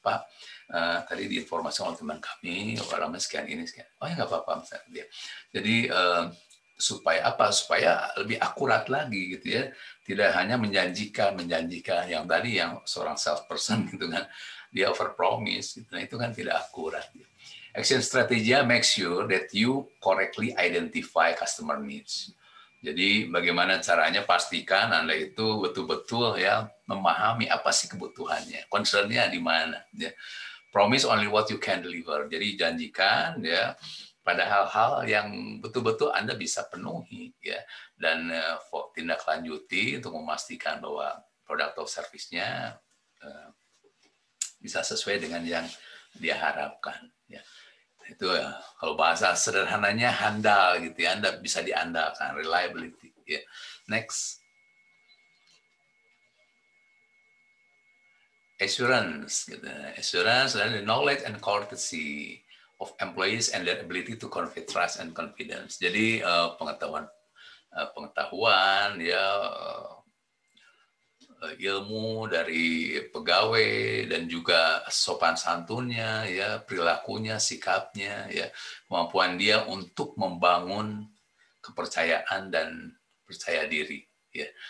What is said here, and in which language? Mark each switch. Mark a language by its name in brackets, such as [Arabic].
[Indonesian] Pak, tadi diinformasikan oleh teman kami, orang sekian ini sekian. Oh ya nggak apa-apa misalkan dia. Jadi supaya apa, supaya lebih akurat lagi gitu ya, tidak hanya menjanjikan yang tadi, yang seorang sales person gitu kan, dia over promise gitu. Nah, itu kan tidak akurat. [English] Action strategy make sure that you correctly identify customer needs. [Indonesian] Jadi bagaimana caranya pastikan Anda itu betul-betul ya memahami apa sih kebutuhannya, concern-nya di mana ya. [English] Promise only what you can deliver, [Indonesian] jadi janjikan ya pada hal-hal yang betul-betul Anda bisa penuhi ya, dan tindak lanjuti untuk memastikan bahwa produk atau servisnya bisa sesuai dengan yang dia harapkan ya. Itu ya, kalau bahasa sederhananya handal gitu ya, Anda bisa diandalkan, reliability ya. [English] Next, assurance dan knowledge and courtesy of employees and their ability to convey trust and confidence. [Indonesian] Jadi pengetahuan ya, ilmu dari pegawai dan juga sopan santunnya ya, perilakunya, sikapnya ya, kemampuan dia untuk membangun kepercayaan dan percaya diri ya.